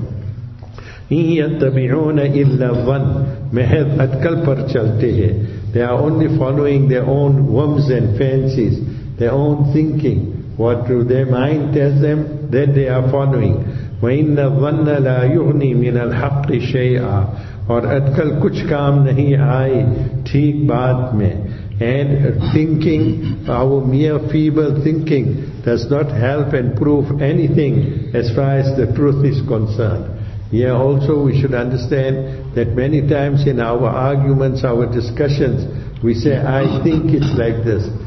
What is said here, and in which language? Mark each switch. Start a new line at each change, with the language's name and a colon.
Arabic: إِن يَتَّبِعُونَ إِلَّا ظَنْ.
Urdu: محض اٹکل پر چلتے ہیں.
English: They are only following their own whims and fancies, their own thinking. What do their mind tells them, that they are following.
Arabic: وَإِنَّ ظَنَّ لَا يُغْنِي مِنَ الْحَقِّ شَيْئًا.
Urdu: اور اٹکل کچھ کام نہیں آئے ٹھیک بات میں.
English: And thinking, our mere feeble thinking, does not help and prove anything as far as the truth is concerned. Here also we should understand that many times in our arguments, our discussions, we say, I think it's like this.